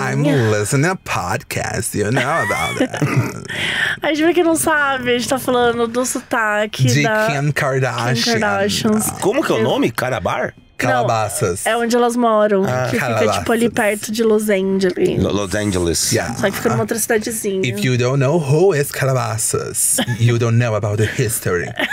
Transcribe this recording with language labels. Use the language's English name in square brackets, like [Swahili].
[English] I'm listening to a podcast, you know about it. [Portuguese] A gente vê que não sabe, a gente tá falando do sotaque de da Kim Kardashian. Como que é o nome? Carabar? Calabasas. Não, é onde elas moram. Que fica tipo ali perto de Los Angeles. Los Angeles. [English] Yeah. [Portuguese] Só que fica numa outra cidadezinha. [English] If you don't know who is Calabasas, you don't know about the history.